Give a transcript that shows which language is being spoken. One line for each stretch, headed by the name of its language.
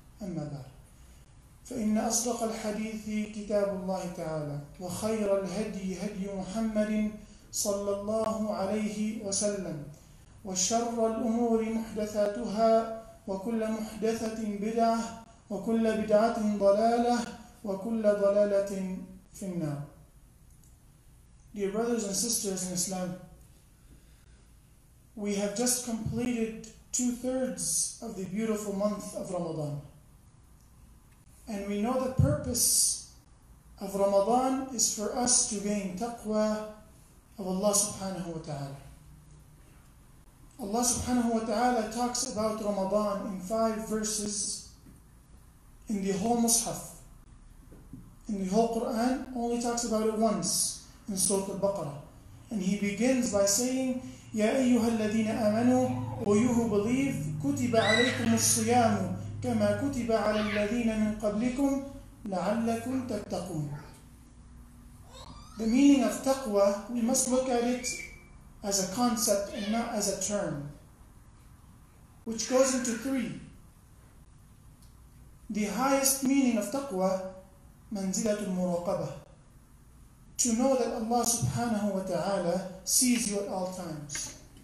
Arabic: أما بعد، فإن أصدق الحديث كتاب الله تعالى، وخير الهدي هدي محمد صلى الله عليه وسلم، وشر الأمور محدثاتها، وكل محدثة بدعة، وكل بدعة ضلالة، وكل ضلالة في النار.
English: Dear brothers and sisters in Islam, we have just completed 2/3 of the beautiful month of Ramadan. And we know the purpose of Ramadan is for us to gain taqwa of Allah subhanahu wa ta'ala. Allah subhanahu wa ta'ala talks about Ramadan in 5 verses in the whole Mus'haf. In the whole Qur'an, only talks about it once in Surah Al-Baqarah.
Arabic: And he begins by saying, يَا أَيُّهَا الَّذِينَ آمَنُوا
English: O you who believe,
Arabic: كُتِبَ عَلَيْكُمُ الصِّيَامُ كَمَا كُتِبَ عَلَى الَّذِينَ مِنْ قَبْلِكُمْ لَعَلَّكُمْ تَتَّقُونَ.
English: The meaning of taqwa, we must look at it as a concept and not as a term, which goes into 3. The highest meaning of taqwa, manzilatul muraqabah, to know that Allah subhanahu wa ta'ala sees you at all times.